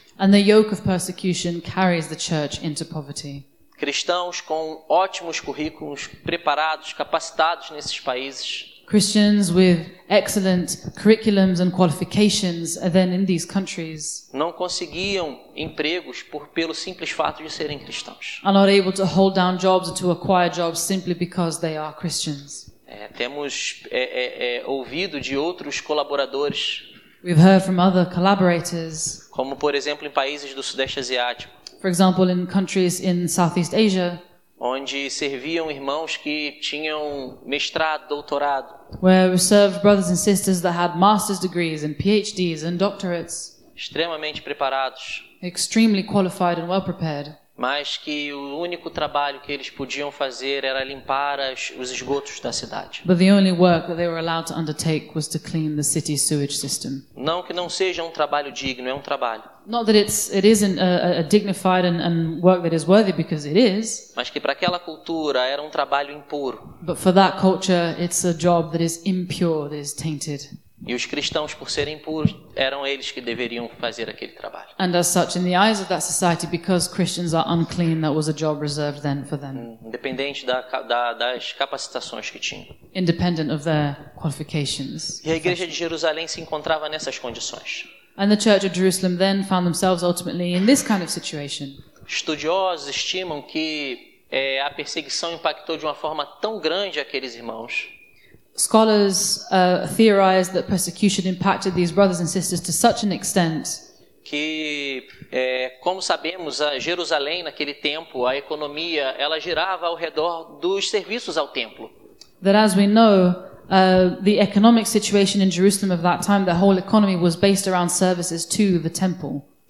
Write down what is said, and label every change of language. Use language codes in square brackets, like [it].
[en] And the yoke of persecution carries the church into poverty. [pt] Cristãos com ótimos currículos, preparados, capacitados nesses países. [en] Christians with excellent curriculums and qualifications are then in these countries. [pt] Não conseguiam empregos pelo simples fato de serem cristãos. [en] Are not able to hold down jobs or to acquire jobs simply because they are Christians. [pt] Temos ouvido de outros colaboradores. [en] We've heard from other collaborators. [pt] Como, por exemplo, em países do Sudeste Asiático. [en] For example, in countries in Southeast Asia. [pt] Onde serviam irmãos que tinham mestrado, doutorado. [en] Where we served brothers and sisters that had master's degrees and PhDs and doctorates. [pt] Extremamente preparados. [en] Extremely qualified and well prepared. [pt] Mas que o único trabalho que eles podiam fazer era limpar os esgotos da cidade. [en] But the only work that they were allowed to undertake was to clean the city sewage system. [pt] Não que não seja um trabalho digno, é um trabalho. [en] Not that it isn't a dignified and work that is worthy, because it is. [pt] Mas que para aquela cultura era um trabalho impuro. [en] But for that culture, it's a job that is impure, that is tainted. [pt] E os cristãos, por serem impuros, eram eles que deveriam fazer aquele trabalho. [en] And as such, in the eyes of that society, because Christians are unclean, that was a job reserved then for them. [pt] Independente das capacitações que tinham. [en] Independent of their qualifications. [pt] E a igreja de Jerusalém se encontrava nessas condições. [en] And the church of Jerusalem then found themselves ultimately in this kind of situation. [pt] estudiosos estimam que a perseguição impactou de uma forma tão grande aqueles irmãos. [en] Scholars theorize that persecution impacted these brothers and sisters to such an extent. [pt] Que, como sabemos, a Jerusalém naquele tempo, a economia, ela girava ao redor dos serviços ao templo. [en] That as we know, the economic situation in Jerusalem of that time, the whole economy was based around services to the temple.